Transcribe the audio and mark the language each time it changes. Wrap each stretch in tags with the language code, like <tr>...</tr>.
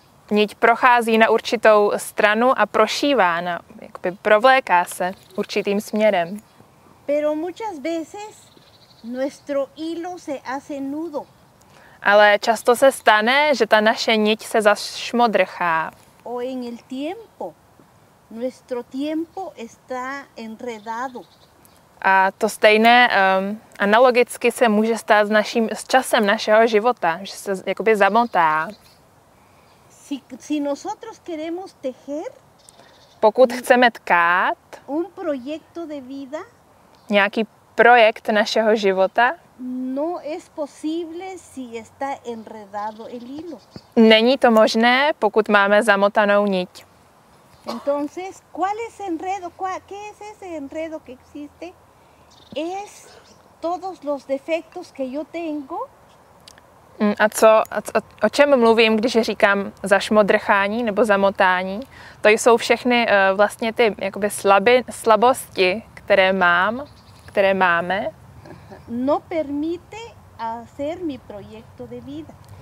<cs>Niť prochází na určitou stranu a prošívá, provléká se určitým směrem.</cs> <es>Pero muchas veces nuestro hilo se hace nudo.</es> <cs>Ale často se stane, že ta naše niť se zašmodrchá.</cs> <es>O en el tiempo. Nuestro tiempo está enredado.</es> <cs>A to stejné analogicky se může stát s časem našeho života, že se jakoby zamotá.</cs> <es>Si nosotros queremos tejer,</es> <cs>pokud chceme tkát</cs> <es>un proyecto de vida,</es> <cs>nějaký projekt našeho života,</cs> <es>no es posible si está enredado el hilo.</es> <cs>Není to možné, pokud máme zamotanou niť.</cs> <es>Entonces, ¿cuál es enredo? ¿Qué es ese enredo que existe? Es todos los defectos que yo tengo.</es> <cs>A co, o čem mluvím, když říkám zašmodrchání nebo zamotání? To jsou všechny vlastně ty jakoby slabosti, které mám, které máme.</cs> <es>No permite hacer mi proyecto de vida.</es>